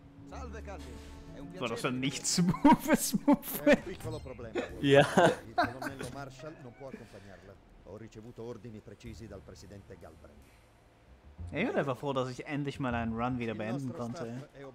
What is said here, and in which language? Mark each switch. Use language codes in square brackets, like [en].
[de] Salve, war das ein nicht smoothes Move? Ja. [it] Il Marshall non può accompagnarla. Ho ricevuto ordini precisi dal presidente Galbraith. [de] Ich bin einfach froh, dass ich endlich mal einen Run wieder beenden konnte.